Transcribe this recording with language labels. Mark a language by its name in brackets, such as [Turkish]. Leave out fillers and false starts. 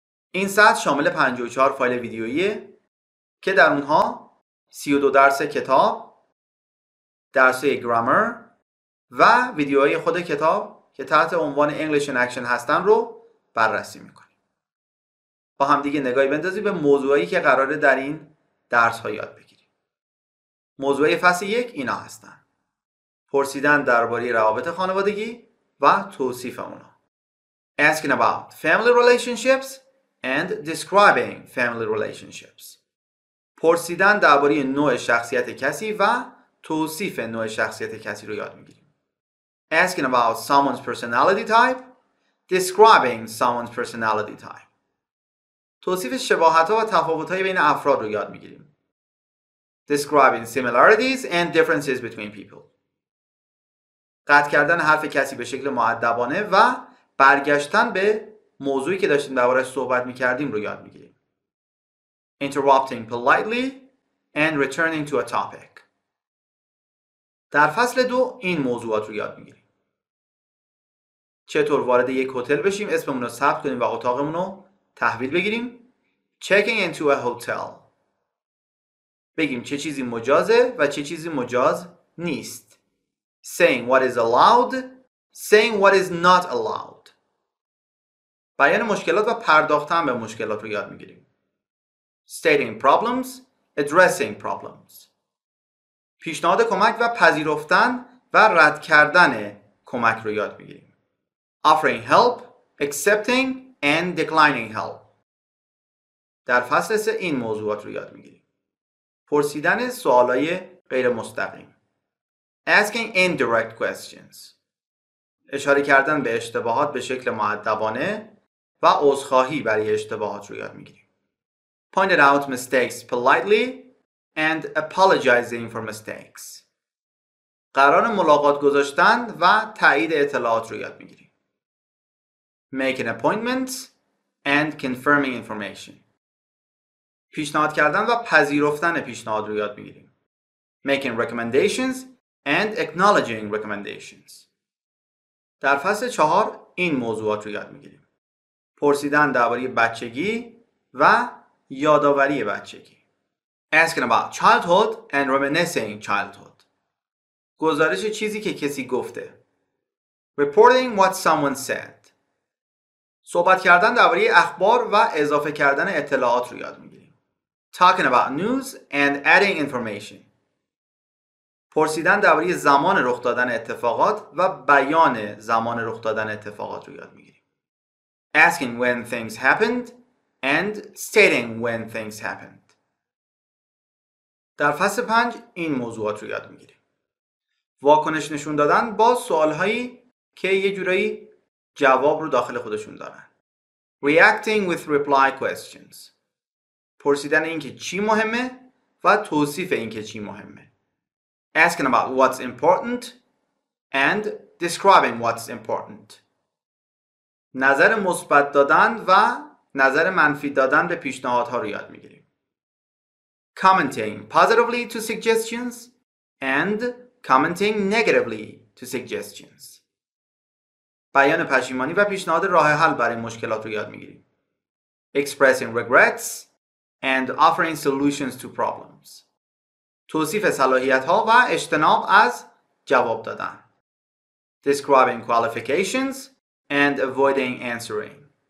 [Persian] این سطح شامل 54 فایل ویدیویه که در اونها 32 درس کتاب، درسه گرامر و ویدیوهای خود کتاب که تحت عنوان English in Action هستن رو بررسی میکنیم. با هم دیگه نگاهی بندازی به موضوعی که قراره در این درس ها یاد بگیریم. موضوعی فصل 1 اینا هستن. پرسیدن درباره روابط خانوادگی و توصیف اونا. [English] Asking about family relationships and describing family relationships. [Persian] پرسیدن درباره نوع شخصیت کسی و توصیف نوع شخصیت کسی رو یاد میگیریم. [English] Asking about someone's personality type, describing someone's personality type. [Persian] توصیف شباهت ها و تفاوت های بین افراد رو یاد میگیریم. [English] Describing similarities and differences between people. [Persian] قطع کردن حرف کسی به شکل مؤدبانه و برگشتن به موضوعی که داشتیم دربارش صحبت میکردیم رو یاد میگیریم. [English] Interrupting politely and returning to a topic. [Persian] در فصل 2 این موضوعات رو یاد میگیریم. چطور وارد یک هتل بشیم، اسممون رو ثبت کنیم و اتاقمون رو تحویل بگیریم. [English] Checking into a hotel. [Persian] بگیم چه چیزی مجازه و چه چیزی مجاز نیست. [English] Saying what is allowed, saying what is not allowed. [Persian] بیان مشکلات و پرداختن به مشکلات رو یاد میگیریم. [English] Stating problems, addressing problems. [Persian] پیشنهاد کمک و پذیرفتن و رد کردن کمک رو یاد میگیریم. [English] Offering help, accepting and declining help. [Persian] در فصل 3 این موضوعات رو یاد میگیریم. پرسیدن سوالای غیر مستقیم. [English] Asking indirect questions. [Persian] اشاره کردن به اشتباهات به شکل مؤدبانه و عذرخواهی برای اشتباهات رو یاد میگیریم. [English] Pointed out mistakes politely and apologizing for mistakes. [Persian] قرار ملاقات گذاشتن و تایید اطلاعات رو یاد میگیریم. [English] Making appointments and confirming information. [Persian] پیشنهاد کردن و پذیرفتن پیشنهاد رو یاد میگیریم. [English] Making recommendations and acknowledging recommendations. [Persian] در فصل 4 این موضوعات رو یاد میگیریم. پرسیدن درباره بچگی و یادآوری بچگی. [English] Asking about childhood and reminiscing childhood. [Persian] گزارش چیزی که کسی گفته. [English] Reporting what someone said. [Persian] صحبت کردن درباره اخبار و اضافه کردن اطلاعات رو یاد میگیریم. [English] Talking about news and adding information. [Persian] پرسیدن درباره زمان رخ دادن اتفاقات و بیان زمان رخ دادن اتفاقات رو یاد میگیریم. [English] Asking when things happened and stating when things happened. [Persian] در فصل 5 این موضوعات رو یاد میگیریم. واکنش نشون دادن با سوالهایی که یه جورایی جواب رو داخل خودشون دارن. [English] Reacting with reply questions. [Persian] پرسیدن این که چی مهمه و توصیف این که چی مهمه. [English] Asking about what's important and describing what's important. [Persian] نظر مثبت دادن و نظر منفی دادن به پیشنهادها رو یاد میگیریم. [English] commenting positively to suggestions and commenting negatively to suggestions. [Persian] بیان پشیمانی و پیشنهاد راه حل برای مشکلات رو یاد میگیریم. [English] Expressing regrets and offering solutions to problems. [Persian] توصیف صلاحیت ها و اجتناب از جواب دادن. [English] Describing qualifications and avoiding answering.